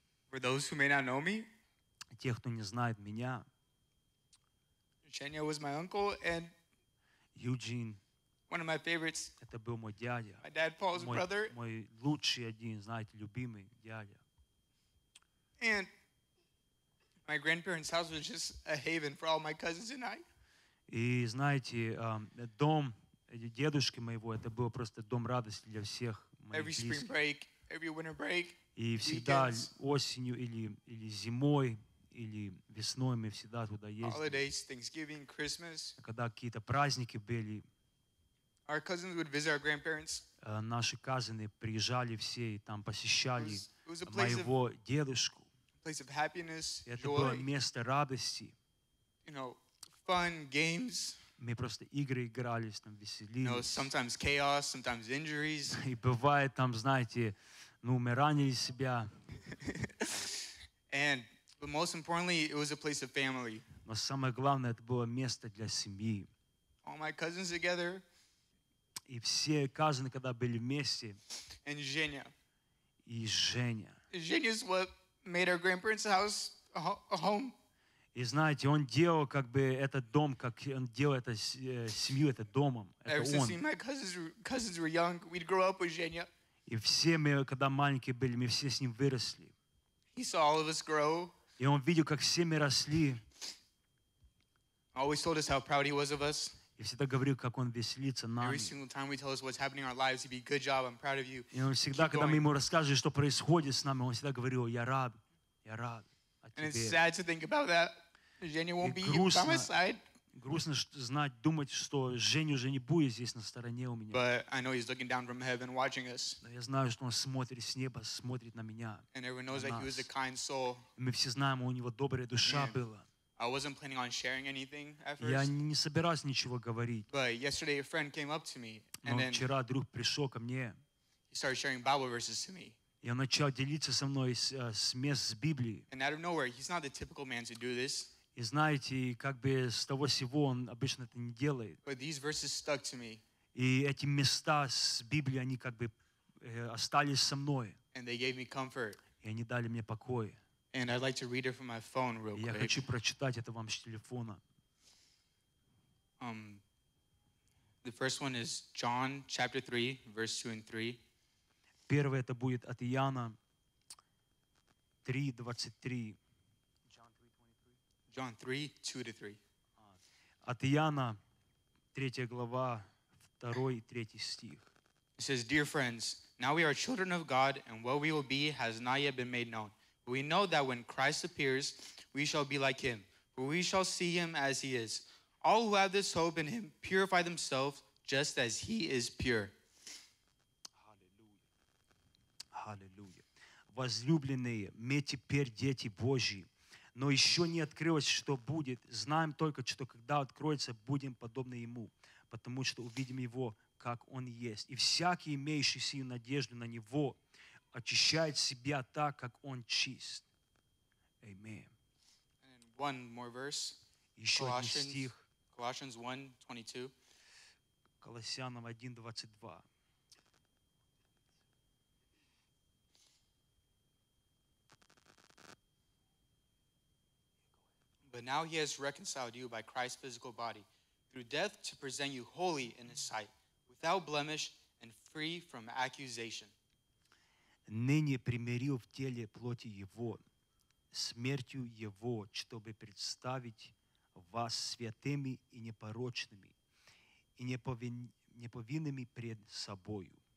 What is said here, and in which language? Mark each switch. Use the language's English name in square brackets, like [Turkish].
[English] For those who may not know me, [Russian] тех, кто не знает меня, [English] Eugenio was my uncle and Eugene, one of my favorites. [Russian] Это был мой дядя. [English] My dad Paul's brother. [Russian] Мой лучший один, знаете, любимый дядя. [English] And my grandparents' house was just a haven for all my cousins and I. [Russian] И знаете, дом дедушки моего это был просто дом радости для всех. [English] Every spring break, every winter break, [Russian] и всегда осенью или зимой или весной мы всегда туда ездили. [English] Holidays, Thanksgiving, Christmas. [Russian] Когда какие-то праздники были. [English] Our cousins would visit our grandparents. [Russian] Наши кузены приезжали все и там посещали моего дедушку. [English] Place of happiness, joy. [Russian] Это было место радости. [English] You know, fun games. [Russian] Мы просто игры игрались, там веселились. [English] You know, sometimes chaos, sometimes injuries. [Russian] И бывает там, знаете, ну, мы ранили себя. [English] And, but most importantly, it was a place of family. [Russian] Но самое главное, это было место для семьи. [English] All my cousins together. [Russian] И все кузены, когда были вместе. [English] And Женя. [Russian] И Женя. [English] Женя is what made our grandparents' house a home. [Russian] И знаете, он делал как бы этот дом, как он делал эту семью, этот домом. Это он. И все мы, когда маленькие были, мы все с ним выросли. [English] He saw all of us grow. [Russian] И он видел, как все мы росли. [English] Always told us how proud he was of us. [Russian] И Я всегда говорю, как он веселится нами. [English] Every single time we tell us what's happening in our lives, he'd be good job. I'm proud of you. [Russian] И он всегда, когда мы ему рассказываем, что происходит с нами, он всегда говорил: я рад о тебе. [English] And it's sad to think about that. Женя won't be by my side. [Russian] Грустно знать, думать, что Женя уже не будет здесь на стороне у меня. [English] But I know he's looking down from heaven, watching us. [Russian] Но я знаю, что он смотрит с неба, смотрит на меня. [English] And everyone knows that he was a kind soul. [Russian] Мы все знаем, у него добрая душа была. [English] I wasn't planning on sharing anything at first. [Russian] Я не собирался ничего говорить. [English] But yesterday a friend came up to me. And then [Russian] вчера друг пришел ко мне. [English] He started sharing Bible verses to me. [Russian] И он начал делиться со мной с мест с Библии. [English] And out of nowhere, he's not the typical man to do this. [Russian] И знаете, как бы с того сего он обычно это не делает. [English] But these verses stuck to me. [Russian] И эти места с Библии, они как бы остались со мной. [English] And they gave me comfort. [Russian] И они дали мне покой. [English] And I'd like to read it from my phone real quick. [Russian] Я хочу прочитать это вам с телефона. [English] The first one is John chapter 3, verse 2 and 3. [Russian] Первое это будет от Иоанна 3:23. [English] John 3:2-3. [Russian] От Иоанна 3 глава 2 и 3 стих. [English] It says, "Dear friends, now we are children of God, and what we will be has not yet been made known. We know that when Christ appears, we shall be like him, for we shall see him as he is. All who have this hope in him purify themselves just as he is pure." Hallelujah. Hallelujah. [Russian] Возлюбленные, мы теперь дети Божьи, но еще не открылось, что будет. Знаем только, что когда откроется, будем подобны ему, потому что увидим его, как он есть. И всякий, имеющий сию надежду на него, очищает себя так, как он чист. [English] Amen. One more verse. [Russian] Еще один стих. [English] Colossians 1:22. [Russian] Колоссянам 1:22. [English] But now he has reconciled you by Christ's physical body through death to present you holy in his sight, without blemish and free from accusation. [Russian] Ныне примирил в теле плоти его, смертью его, чтобы представить вас святыми и непорочными, и неповинными пред собою.